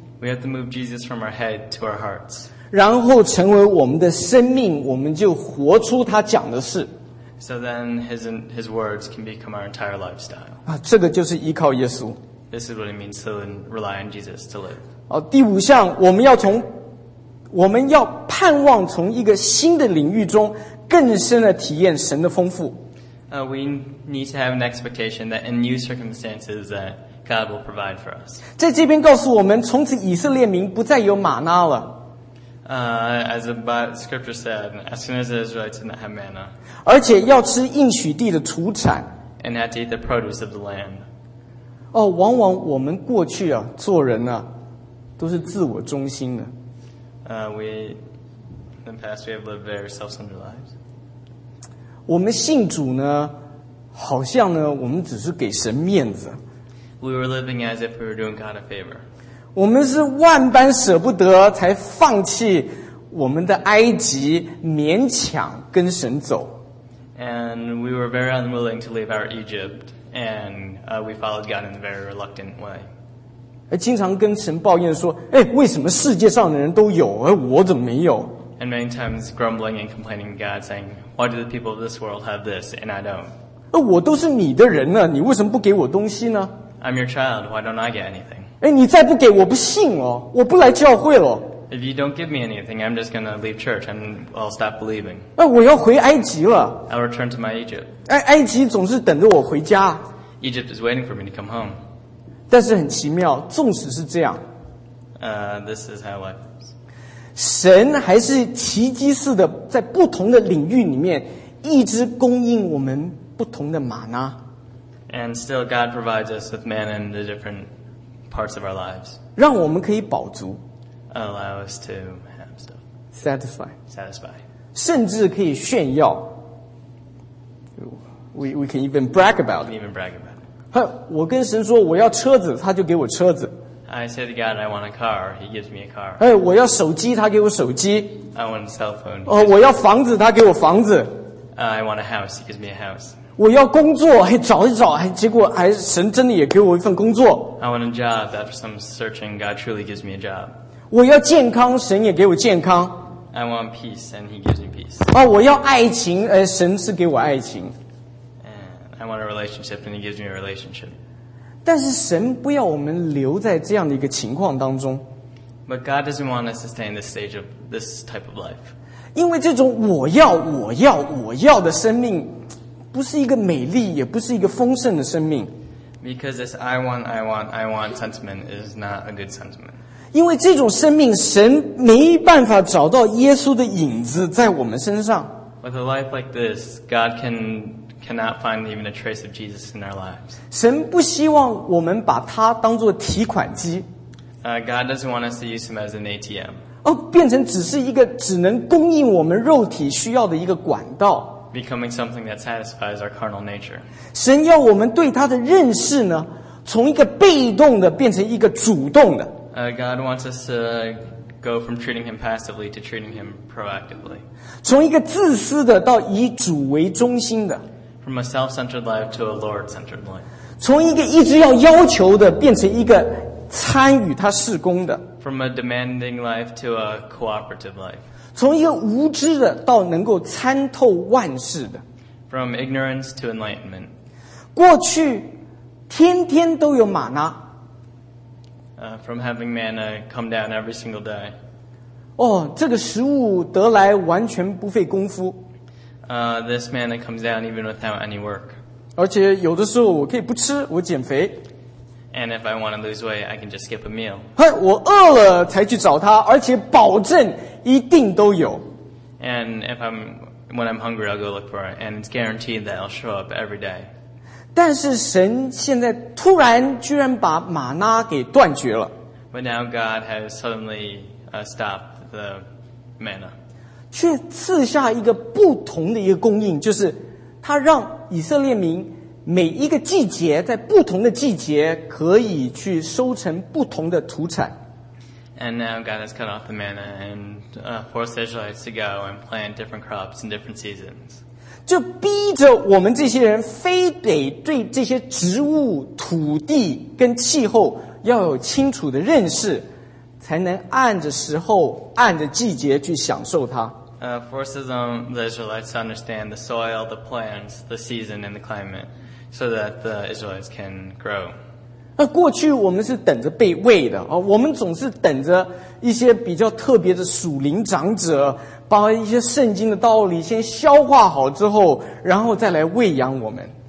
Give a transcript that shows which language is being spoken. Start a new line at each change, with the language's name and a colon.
English: We have to move Jesus from our head to our hearts.
Chinese: 然后成为我们的生命，我们就活出他讲的事。
English: So then his words can become our entire lifestyle.
Chinese: 这个就是依靠耶稣。
English: This is what it means to rely on Jesus to live.
Chinese: 第五项，我们要盼望从一个新的领域中更深的体验神的丰富。
English: We need to have an expectation that in new circumstances that God will provide for us.
Chinese: 在这边告诉我们，从此以色列民不再有玛纳了。
English: As the scripture said, as soon as the Israelites didn't have manna,
Chinese: 而且要吃应许地的土产
English: and had to eat the produce of the land.
Chinese: 往往我们过去啊，做人啊，都是自我中心的。
English: In the past, we have lived very self-centered lives.
Chinese: 我们信主呢，好像呢，我们只是给神面子。
English: We were living as if we were doing God a favor.
Chinese: 我们是万般舍不得才放弃我们的埃及，勉强跟神走。
English: And we were very unwilling to leave our Egypt, and we followed God in a very reluctant way.
Chinese: 经常跟神抱怨说，为什么世界上的人都有，我怎么没有？
English: And many times grumbling and complaining to God, saying, why do the people of this world have this, and I don't?
Chinese: 我都是你的人了，你为什么不给我东西呢？
English: I'm your child, why don't I get anything?
Chinese: 你再不给我不信了，我不来教会了。
English: If you don't give me anything, I'm just gonna leave church and I'll stop believing.
Chinese: 我要回埃及了。
English: I'll return to my Egypt.
Chinese: 埃及总是等着我回家。
English: Egypt is waiting for me to come home.
Chinese: 但是很奇妙，纵使是这样。
English: This is how life is.
Chinese: 神还是奇迹似的在不同的领域里面一直供应我们不同的玛纳。
English: And still God provides us with manna in the different parts of our lives.
Chinese: 让我们可以饱足。
English: Allow us to have stuff. Satisfy. Satisfy.
Chinese: 甚至可以炫耀。
English: We can even brag about it. We can even brag about it.
Chinese: 我跟神说我要车子，他就给我车子。
English: I say to God I want a car, he gives me a car.
Chinese: 我要手机，他给我手机。
English: I want a cell phone.
Chinese: 我要房子，他给我房子。
English: I want a house, he gives me a house.
Chinese: 我要工作，找一找，结果还神真的也给我一份工作。
English: I want a job. After some searching, God truly gives me a job.
Chinese: 我要健康，神也给我健康。
English: I want peace, and He gives me peace.
Chinese: 我要爱情，神是给我爱情。
English: And I want a relationship, and He gives me a relationship.
Chinese: 但是神不要我们留在这样的一个情况当中。
English: But God doesn't want us to stay in this stage of this type of life.
Chinese: 因为这种我要的生命。不是一个美丽，也不是一个丰盛的生命。
English: Because this I want, I want, I want sentiment is not a good sentiment.
Chinese: 因为这种生命，神没办法找到耶稣的影子在我们身上。
English: With a life like this, God cannot find even a trace of Jesus in our lives.
Chinese: 神不希望我们把它当作提款机。
English: God doesn't want us to use him as an ATM.
Chinese: 变成只是一个只能供应我们肉体需要的一个管道。
English: Becoming something that satisfies our carnal nature.
Chinese: 神要我们对他的认识呢，从一个被动的变成一个主动的。
English: God wants us to go from treating him passively to treating him proactively.
Chinese: 从一个自私的到以主为中心的。
English: From a self-centered life to a Lord-centered life.
Chinese: 从一个一直要要求的变成一个参与他事工的。
English: From a demanding life to a cooperative life.
Chinese: 从一个无知的到能够参透万事的。
English: From ignorance to enlightenment.
Chinese: 过去天天都有玛纳。
English: From having manna come down every single day.
Chinese: 这个食物得来完全不费功夫。
English: This manna comes down even without any work.
Chinese: 而且有的时候我可以不吃，我减肥。
English: And if I want to lose weight, I can just skip a meal.
Chinese: 我饿了才去找他，而且保证一定都有。
English: And when I'm hungry, I'll go look for it, and it's guaranteed that I'll show up every day.
Chinese: 但是神现在突然居然把玛纳给断绝了。
English: But now God has suddenly stopped the manna.
Chinese: 却赐下一个不同的一个供应，就是他让以色列民每一个季节在不同的季节可以去收成不同的土产。
English: And now God has cut off the manna and forced the Israelites to go and plant different crops in different seasons.
Chinese: 就逼着我们这些人非得对这些植物、土地跟气候要有清楚的认识，才能按着时候、按着季节去享受它。
English: Forces the Israelites to understand the soil, the plants, the season, and the climate, so that the Israelites can grow.
Chinese: 那过去我们是等着被喂的啊，我们总是等着一些比较特别的属灵长者，把一些圣经的道理先消化好之后，然后再来喂养我们。